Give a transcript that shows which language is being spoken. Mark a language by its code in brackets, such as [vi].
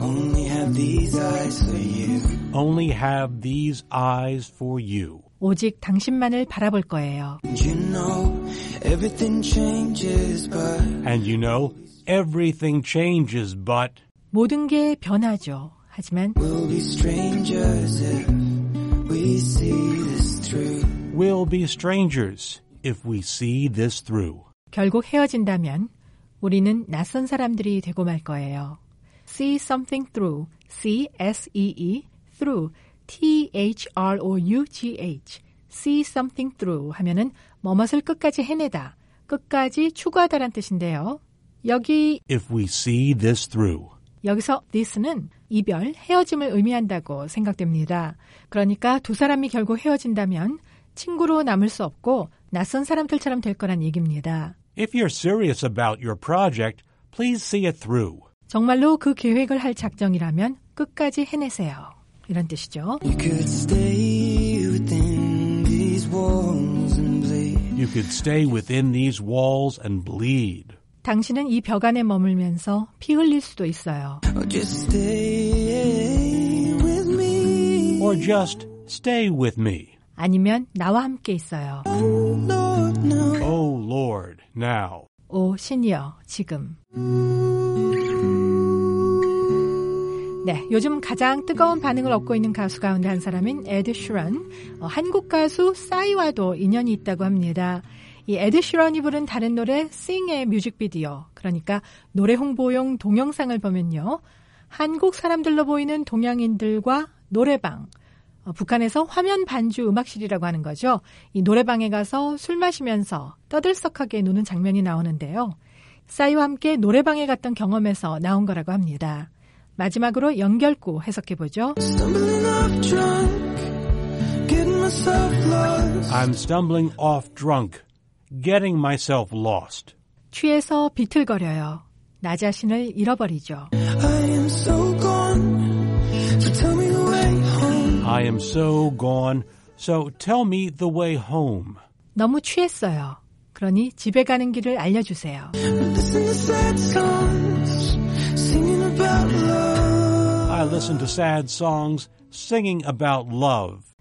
[en] Only have these eyes for you. Only have these eyes for you. [ko] 오직 당신만을 바라볼 거예요. [en] You know everything changes but. And you know everything changes but. [ko] 모든 게 변하죠. 하지만 [en] We'll be strangers if we see this through. We'll be strangers if we see this through. [ko] 결국 헤어진다면 우리는 낯선 사람들이 되고 말 거예요. [en] See something through. C-S-E-E through. T-H-R-O-U-G-H. See something through [ko] 하면은 뭐뭇을 끝까지 해내다, 끝까지 추구하다란 뜻인데요. 여기 [en] If we see this through. [ko] 여기서 this는 이별, 헤어짐을 의미한다고 생각됩니다. 그러니까 두 사람이 결국 헤어진다면 친구로 남을 수 없고 낯선 사람들처럼 될 거란 얘기입니다. [en] If you're serious about your project, please see it through. [ko] 정말로 그 계획을 할 작정이라면 끝까지 해내세요. 이런 뜻이죠. [en] You could stay within these walls and bleed. You could stay within these walls and bleed. [ko] 당신은 이 벽 안에 머물면서 피 흘릴 수도 있어요. [en] Just stay with me. Or just stay with me. [ko] 아니면 나와 함께 있어요. [en] Oh Lord, now. Oh Lord, now. [ko] 오 신이여, 지금. 네, 요즘 가장 뜨거운 반응을 얻고 있는 가수 가운데 한 사람인 에드 시런. 한국 가수 싸이와도 인연이 있다고 합니다. 이 에드 시런이 부른 다른 노래 Sing의 뮤직비디오, 그러니까 노래 홍보용 동영상을 보면요. 한국 사람들로 보이는 동양인들과 노래방, 북한에서 화면 반주 음악실이라고 하는 거죠. 이 노래방에 가서 술 마시면서 떠들썩하게 노는 장면이 나오는데요. 싸이와 함께 노래방에 갔던 경험에서 나온 거라고 합니다. 마지막으로 연결구 해석해보죠. [en] Stumbling off drunk, getting myself lost. I'm stumbling off drunk, getting myself lost. [ko] 취해서 비틀거려요. 나 자신을 잃어버리죠. [en] I am so gone, so tell me the way home. I am so gone, so tell me the way home. [ko] 너무 취했어요. 그러니 집에 가는 길을 알려주세요. [en] Listen to sad songs, singing about love. I listen to sad songs, singing about love.